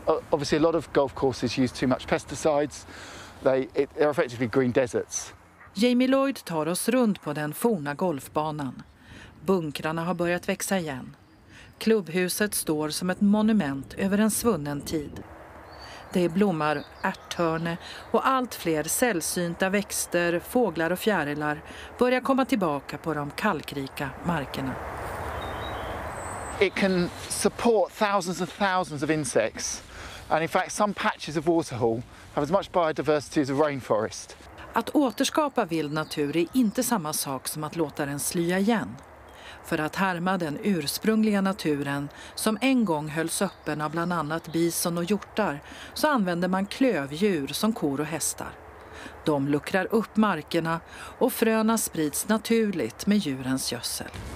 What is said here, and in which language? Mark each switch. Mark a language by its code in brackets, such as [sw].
[en] Obviously a lot of golf courses use too much pesticides. They're effectively green deserts. [sv] Jamie Lloyd tar oss runt på den forna golfbanan. Bunkrarna har börjat växa igen. Klubbhuset står som ett monument över en svunnen tid. Det blommar ärthörne och allt fler sällsynta växter, fåglar och fjärilar börjar komma tillbaka på de kalkrika markerna. [en] It can support thousands of insects and in fact some patches of Waterhole have as much biodiversity as a rainforest. [sv] Att återskapa vild natur är inte samma sak som att låta den slya igen. För att härma den ursprungliga naturen som en gång hölls öppen av bland annat bison och hjortar så använder man klövdjur som kor och hästar. De luckrar upp markerna och fröna sprids naturligt med djurens gödsel.